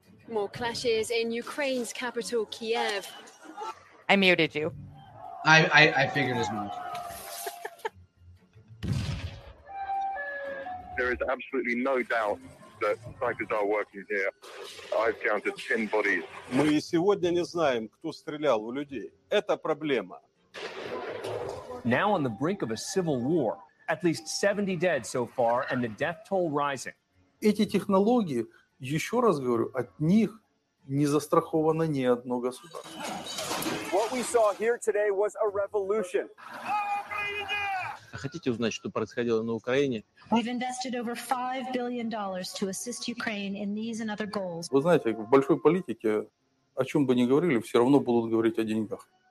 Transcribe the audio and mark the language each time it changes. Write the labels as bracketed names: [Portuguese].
[English] More clashes in Ukraine's capital, Kiev. I muted you. I figured as much. There is absolutely no doubt that snipers are working here. I've counted 10 bodies. [Russian] Мы сегодня не знаем, кто стрелял в людей. Это проблема. [English] Now on the brink of a civil war, at least 70 dead so far, and the death toll rising. [Russian] Эти технологии, еще раз говорю, от них не застраховано ни одно государство. [English] What we saw here today was a revolution. [Russian] Хотите узнать, что происходило на Украине? [English] We've invested over $5 billion to assist Ukraine in these and other goals. [Russian] Вы знаете, в большой политике, о чем бы ни говорили, все равно будут говорить о деньгах.